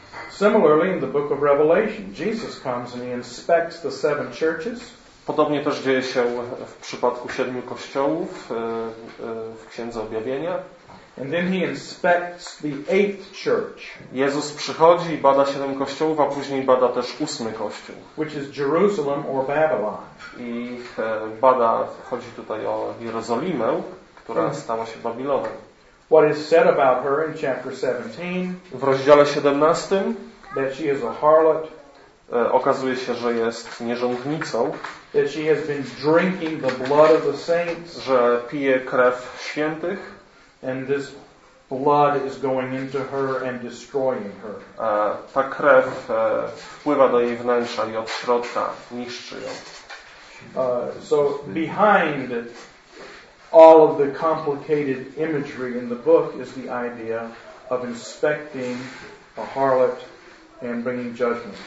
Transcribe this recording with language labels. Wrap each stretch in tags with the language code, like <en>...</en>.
<en>Similarly in the book of Revelation, Jesus comes and he inspects the seven churches.</en> <pl>Podobnie też dzieje się w przypadku siedmiu kościołów w Księdze Objawienia.</pl> <en>And then he inspects the eighth church.</en> <pl>Jezus przychodzi i bada siedem kościołów, a później bada też ósmy kościół.</pl> <en>Which is Jerusalem or Babylon.</en> <pl>I bada, chodzi tutaj o Jerozolimę, która stała się Babilonem.</pl> <en>What is said about her in chapter 17?</en> <pl>W rozdziale 17.</pl> <en>That she is a harlot.</en> <pl>Okazuje się, że jest nierządnicą.</pl> <en>That she has been drinking the blood of the saints.</en> <pl>Że pije krew świętych.</pl> <en>And this blood is going into her and destroying her.</en> <pl>Ta krew wpływa do jej wnętrza i od środka niszczy ją.</pl> <en>So behind all of the complicated imagery in the book is the idea of inspecting a harlot and bringing judgment.</en>